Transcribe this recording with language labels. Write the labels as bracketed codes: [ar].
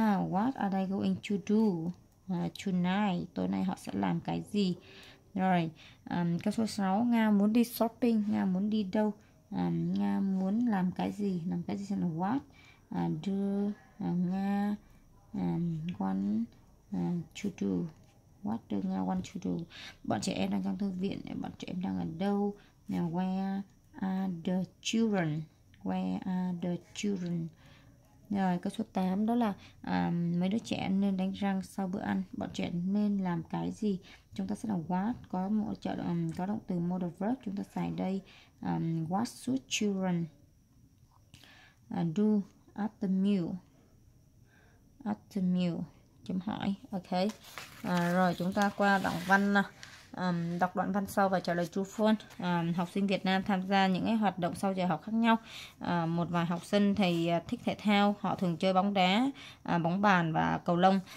[en] What are they going to do tonight? [vi] Tối nay họ sẽ làm cái gì? Rồi, câu số 6, Nga muốn đi shopping, Nga muốn đi đâu? Nga muốn làm cái gì? Làm cái gì là what? [en] Nga one to do. What do Nga want to do? [vi] Bọn trẻ em đang trong thư viện. Bọn trẻ em đang ở đâu? [en] Now, where are the children? Where are the children? [vi] Rồi câu số 8 đó là mấy đứa trẻ nên đánh răng sau bữa ăn. Bọn trẻ nên làm cái gì? Chúng ta sẽ làm what. Có một trợ có động từ modal verb chúng ta xài đây. [en] What should children do after meal? After meal [vi] chấm hỏi. [en] Ok. [vi] Rồi chúng ta qua đoạn văn nào. Đọc đoạn văn sau và trả lời true false. Học sinh Việt Nam tham gia những hoạt động sau giờ học khác nhau. Một vài học sinh thì thích thể thao, họ thường chơi bóng đá, bóng bàn và cầu lông.